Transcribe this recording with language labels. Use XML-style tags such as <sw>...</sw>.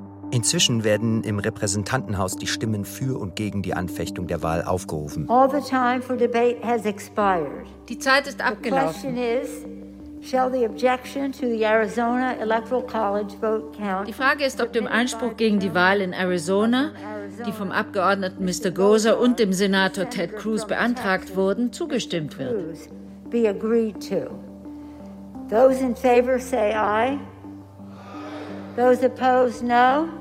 <de>Inzwischen werden im Repräsentantenhaus die Stimmen für und gegen die Anfechtung der Wahl aufgerufen.</de> <en>All the time for debate has expired.</en> <de>Die Zeit ist abgelaufen.</de> <en>The question is, shall the objection to the Arizona Electoral College vote count?</en> <de>Die Frage ist, ob dem Einspruch gegen die Wahl in Arizona, die vom Abgeordneten Mr. Gozer und dem Senator Ted Cruz beantragt wurden, zugestimmt wird.</de> <en>Be agreed to. Those in favor say aye. Those opposed, no.</en>